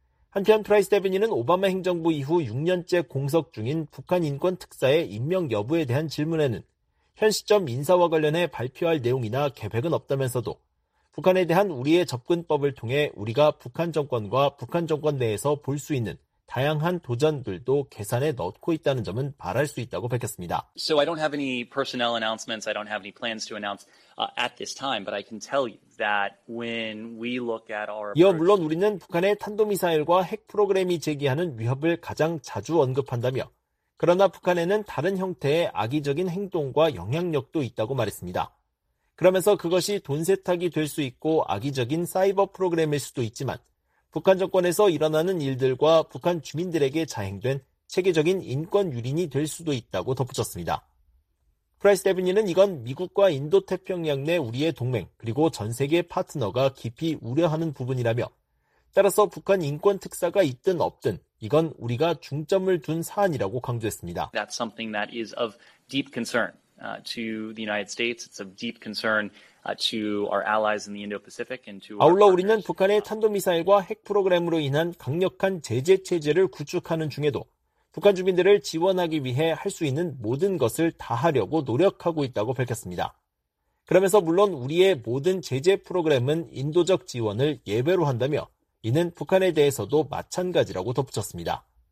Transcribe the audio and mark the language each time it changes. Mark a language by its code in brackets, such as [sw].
[ko] 한편 프라이스 대변인은 오바마 행정부 이후 6년째 공석 중인 북한 인권 특사의 임명 여부에 대한 질문에는 현 시점 인사와 관련해 발표할 내용이나 계획은 없다면서도 북한에 대한 우리의 접근법을 통해 우리가 북한 정권과 북한 정권 내에서 볼 수 있는 다양한 도전들도 계산에 넣고 있다는 점은 말할 수 있다고 밝혔습니다. [en] So I don't have any personnel announcements. I don't have any plans to announce at this time, but I can tell you that when we look at our [ko] 이어 물론 우리는 북한의 탄도미사일과 핵 프로그램이 제기하는 위협을 가장 자주 언급한다며 그러나 북한에는 다른 형태의 악의적인 행동과 영향력도 있다고 말했습니다. 그러면서 그것이 돈 세탁이 될 수 있고 악의적인 사이버 프로그램일 수도 있지만 북한 정권에서 일어나는 일들과 북한 주민들에게 자행된 체계적인 인권 유린이 될 수도 있다고 덧붙였습니다. 프라이스 데브니는 이건 미국과 인도태평양 내 우리의 동맹 그리고 전 세계 파트너가 깊이 우려하는 부분이라며 따라서 북한 인권 특사가 있든 없든 이건 우리가 중점을 둔 사안이라고 강조했습니다. [en] That's something that is of deep concern to the United States. It's of deep concern to our allies in the Indo-Pacific and to our [ko] 아울러 우리는 북한의 탄도미사일과 핵 프로그램으로 인한 강력한 제재 체제를 구축하는 중에도 북한 주민들을 지원하기 위해 할 수 있는 모든 것을 다하려고 노력하고 있다고 밝혔습니다. 그러면서 물론 우리의 모든 제재 프로그램은 인도적 지원을 예외로 한다며 이는 북한에 대해서도 마찬가지라고 덧붙였습니다.